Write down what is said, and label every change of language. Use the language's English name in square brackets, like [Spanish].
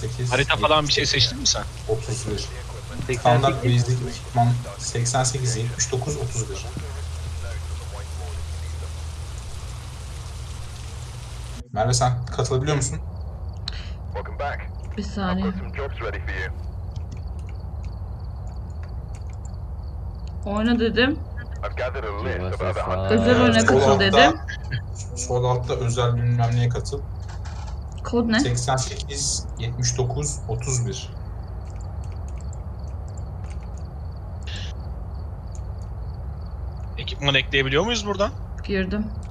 [Turkish] Harita falan bir şey seçtin mi sen? 31. Standart 88 basic ekipman 88739 31. Merve sen katılabiliyor musun? [English] Welcome back. [Turkish] Bir saniye. [English] I've got some jobs ready for you. [Turkish] Oyna dedim. [English] I've gathered a list of other [Turkish] hunters. Özel oyuna katıl dedim. Sol altta özel bilmem neye katıl. Kod ne? 88 79 31. Ekipman ekleyebiliyor muyuz buradan? Girdim.